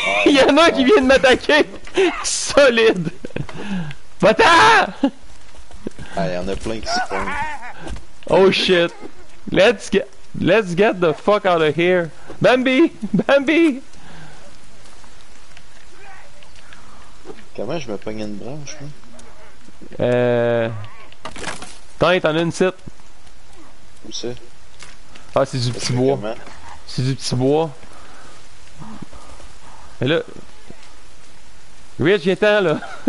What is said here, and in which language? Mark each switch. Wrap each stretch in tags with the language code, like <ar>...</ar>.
<fr>Il y en a un qui vient de m'attaquer! Solide! Va-t'en! Ah, il y en a plein qui se font.</fr> <en>Oh shit! Let's get the fuck out of here!</en> <fr>Bambi! Bambi! Comment je me pogne une branche, hein? Tant, t'en as une site. C'est? Ah, c'est du petit bois. Comment? C'est du petit bois. Et là... Rich, viens-t'en, là.</fr>